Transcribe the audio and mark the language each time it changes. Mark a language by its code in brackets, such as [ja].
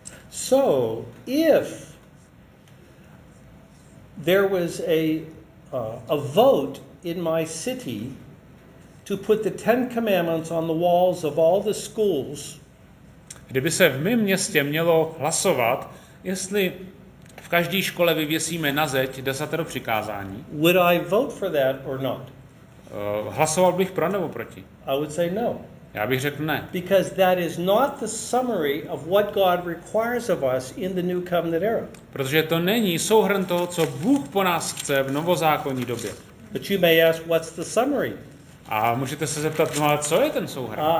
[en] So, if there was a vote in my city to put the Ten Commandments on the walls of all the schools. [cs] Kdyby se v mém městě mělo hlasovat, jestli v každé škole vyvěsíme na zeď desatero přikázání. [en] Would I vote for that or not? [cs] Hlasoval bych pro nebo proti? [en] I would say no. [cs] Já bych řekl ne. [en] Because that is not the summary of what God requires of us in the New Covenant era. [cs] Protože to není souhrn toho, co Bůh po nás chce v novozákonní době. [en] But you may ask, what's the summary? [cs] A můžete se zeptat, no, ale co je ten souhrn?